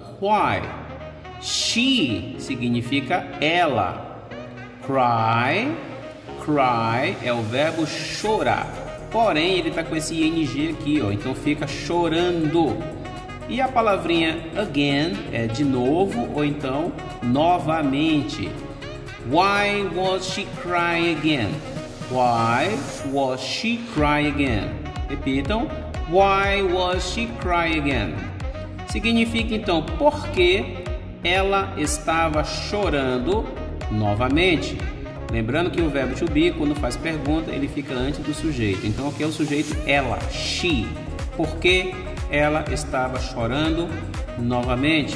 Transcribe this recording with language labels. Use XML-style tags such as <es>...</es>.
<pt>Why? She significa ela. Cry. Cry é o verbo chorar. Porém, ele está com esse ing aqui, ó. Então fica chorando. E a palavrinha again é de novo ou então novamente.</pt> <en>Why was she crying again? Why was she crying again?</en> <pt>Repitam.</pt> <en>Why was she crying again?</en> <pt>Significa então, por que ela estava chorando novamente? Lembrando que o verbo to be, quando faz pergunta, ele fica antes do sujeito. Então, aqui é o sujeito ela, she. Por que ela estava chorando novamente?</pt>